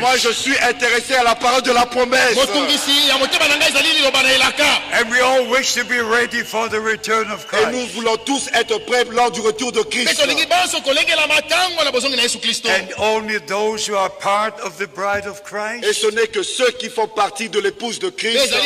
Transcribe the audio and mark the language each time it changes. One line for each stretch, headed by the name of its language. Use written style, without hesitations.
French: Moi, je suis intéressé à la parole de la promesse.
English: And we all wish to be ready for the return of Christ.
French: Et nous voulons tous être prêts lors du retour de Christ.
English: And only those who are part of the bride of Christ.
French: Et ce n'est que ceux qui font partie de l'épouse de Christ.